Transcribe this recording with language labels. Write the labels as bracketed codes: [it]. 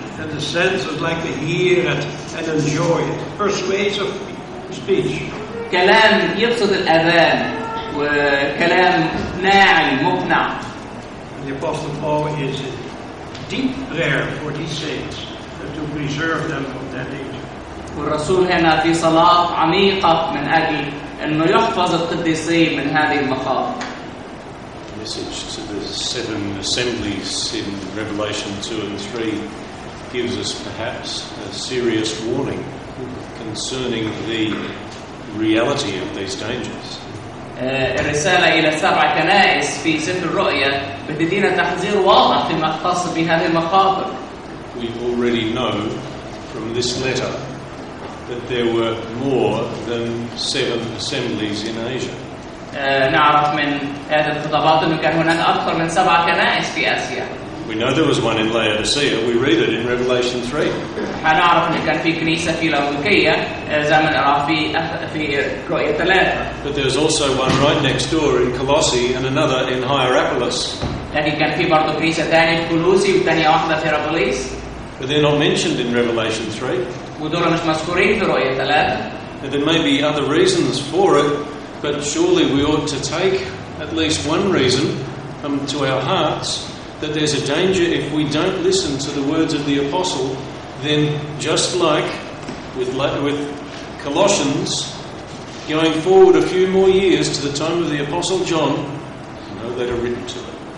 [en] And the senses like to hear it and enjoy it. Persuasive speech. [ar] كلام يبسط الأذان وكلام ناعم مقنع. [en] The Apostle Paul is in deep prayer for these saints to preserve them from that age. [ar] والرسول هنا في صلاة عميقة من أجل أنه يحفظ القديسين من هذه المخاوف. [en] Message to the seven assemblies in Revelation 2 and 3 gives us perhaps a serious warning concerning the reality of these dangers. [ar] الرسالة إلى سبع كنائس في سفر الرؤيا بتدينا تحذير واضح فيما يختص بهذه المخاطر. [en] We already know from this letter that there were more than seven assemblies in Asia. [ar] نعرف من هذه الخطابات أنه كان هناك أكثر من سبع كنائس في آسيا. [en] We know there was one in Laodicea. We read it in Revelation 3. [ar] حنعرف أنه كان في كنيسة في لاودوكية زي ما نعرف في رؤية 3. [en] But there's also one right next door in Colossae and another in Hierapolis. [ar] لكن كان في برضو كنيسة ثانية في كولوسي وثانية واحدة في هيرابوليس. [en] But they're not mentioned in Revelation 3. [ar] ودول مش مذكورين في رؤية 3. [en] And there may be other reasons for it. But surely we ought to take at least one reason to our hearts that there's a danger if we don't listen to the words of the apostle, then just like with Colossians, going forward a few more years to the time of the apostle John, no letter written to them.